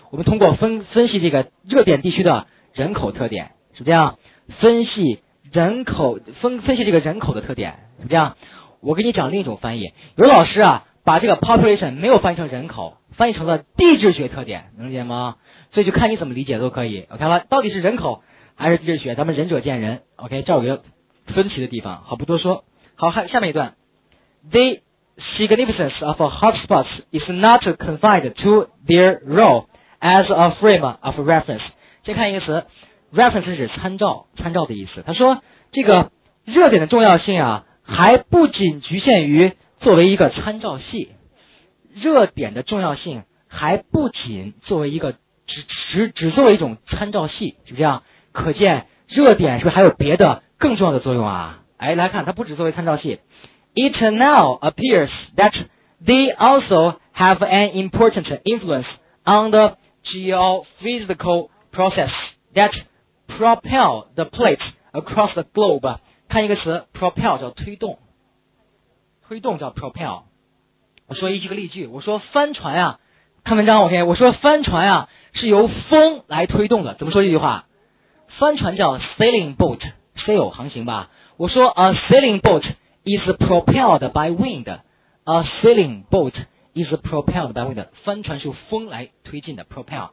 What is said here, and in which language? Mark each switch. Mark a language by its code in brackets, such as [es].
[zh] 我们通过分析这个热点地区的人口特点，是这样，分析这个人口的特点，是这样。我给你讲另一种翻译，有老师啊，把这个 population 没有翻译成人口，翻译成了地质学特点，能理解吗？所以就看你怎么理解都可以。OK 了，到底是人口还是地质学，咱们仁者见仁。 OK， 这有一个分歧的地方，好，不多说。好，下面一段 ， [en] The significance of hotspots is not confined to their role as a frame of reference。 [zh] 先看一个词 ，reference 是指参照，参照的意思。他说，这个热点的重要性啊，还不仅局限于作为一个参照系，热点的重要性还不仅作为一个只作为一种参照系，是不是这样？可见热点是不是还有别的更重要的作用啊？哎，来看，它不只作为参照系。 [en] It now appears that they also have an important influence on the geophysical process that propel the plate across the globe。 [zh] 看一个词 ，propel 叫推动，推动叫 propel。我说一个例句，我说帆船啊，看文章 OK， 我说帆船啊是由风来推动的，怎么说这句话？帆船叫 sailing boat，sail 航行吧。我说 [en] a sailing boat is propelled by wind， a sailing boat is propelled by wind， [zh] 帆船是由风来推进的 propel。